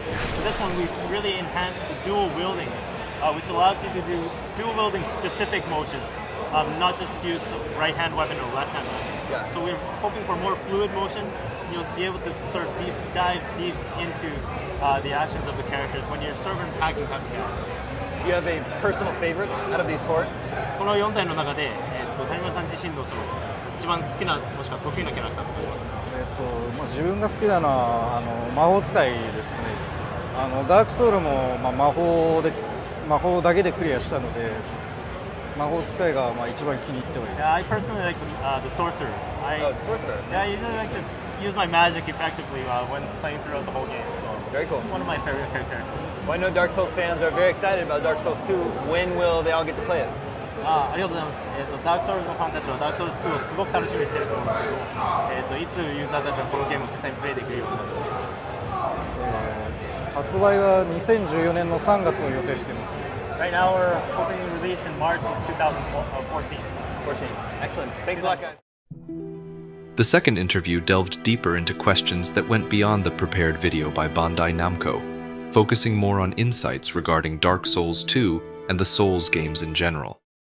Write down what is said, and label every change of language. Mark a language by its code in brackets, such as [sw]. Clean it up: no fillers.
[en] For this one, we've really enhanced the dual wielding, which allows you to do dual wielding specific motions, not just use the right hand weapon or left hand weapon. So we're hoping for more fluid motions. You'll be able to sort of dive deep into the actions of the characters when you're sort of attacking them together. Do you have a personal favorite out of these four? [ja] この4体の中で、谷村さん自身のその一番好きなもしくは得意なキャラクターとかありますか？自分が好きなのは魔法使いですね。ダークソウルも魔法だけでクリアしたので、魔法使いが一番気に入っております。 [en] Yeah, I personally like the sorcerer. Yeah, you just like to use my magic effectively when playing throughout the whole game. So very cool. It's one of my favorite characters. Well, I know Dark Souls fans are very excited about Dark Souls 2. When will they all get to play it? [ja] ありがとうございます。 Dark Souls のファンたちは Dark Souls 2をすごく楽しみにしていると思うんですけど、いつユーザーたちはこのゲームを実際にプレイできるようになるでしょうか？発売は2014年の3月を予定しています。 [en] Right now we're hoping to release in March of 2014. Excellent. Thanks a lot, guys. The second interview delved deeper into questions that went beyond the prepared video by Bandai Namco, focusing more on insights regarding Dark Souls 2 and the Souls games in general.